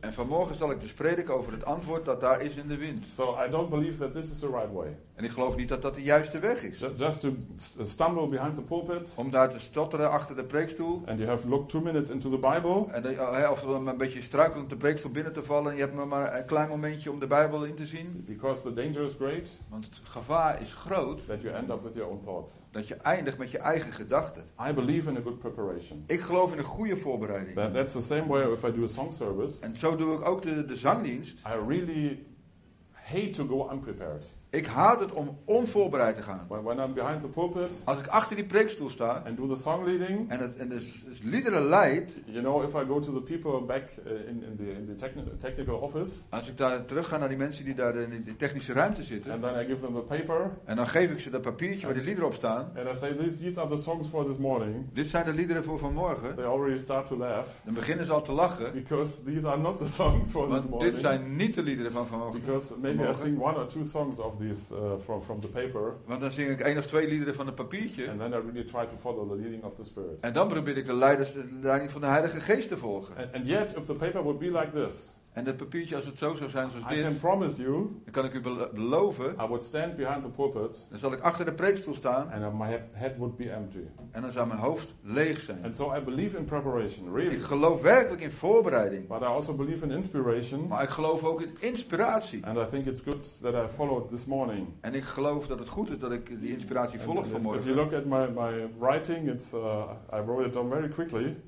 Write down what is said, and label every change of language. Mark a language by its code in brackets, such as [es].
[nl] En vanmorgen zal ik dus prediken over het antwoord dat daar is in de wind. [en] So I don't believe that this is the right way. [nl] En ik geloof niet dat de juiste weg is. [en] Just to stumble behind the pulpit. [nl] Om daar te stotteren achter de preekstoel. [en] And you have looked 2 minutes into the Bible. [nl] En of om een beetje struikelend de preekstoel binnen te vallen. Je hebt maar een klein momentje om de Bijbel in te zien. [en] Because the danger is great. [nl] Want het gevaar is groot. [en] That you end up with your own thoughts. [nl] Dat je eindigt met je eigen gedachten. [en] I believe in a good preparation. [nl] Ik geloof in een goede voorbereiding. [en] That's the same way if I do a song service. [nl] En zo doe ik ook de zangdienst. [en] I really hate to go unprepared. [nl] Ik haat het om onvoorbereid te gaan. [en] When I'm behind the pulpit. [nl] Als ik achter die preekstoel sta. [en] And do the song leading. [nl] En het liederen leid. [en] You know, if I go to the people back in the technical office. [nl] Als ik daar terug ga naar die mensen die daar in de technische ruimte zitten. [en] And then I give them the paper. [nl] En dan geef ik ze dat papiertje waar die liederen op staan. [en] And I say these are the songs for this morning. [nl] Dit zijn de liederen voor vanmorgen. [en] They already start to laugh. [nl] Dan beginnen ze al te lachen. [en] Because these are not the songs for [nl] Want [en] this morning. [nl] Dit zijn niet de liederen van vanmorgen. [en] Because maybe vanmorgen. I sing one or two songs of from the paper. [nl] Want dan zing ik 1 of 2 liederen van het papiertje. [en] And then I really try to follow the leading of the Spirit. [nl] En dan probeer ik de leiding van de Heilige Geest te volgen. [en] And yet, if the paper would be like this. [nl] En het papiertje als het zo zou zijn zoals dit. [en] I can promise you. [nl] Dan kan ik u beloven. [en] I would stand behind the pulpit. [nl] Dan zal ik achter de preekstoel staan. [en] And my head would be empty. [nl] En dan zou mijn hoofd leeg zijn. [en] And so I believe in preparation, really. [nl] Ik geloof werkelijk in voorbereiding. [en] But I also believe in inspiration. [nl] Maar ik geloof ook in inspiratie. [en] And I think it's good that I followed this morning. [nl] En ik geloof dat het goed is dat ik die inspiratie volg vanmorgen. [en] If you look at my writing, I wrote it down very quickly.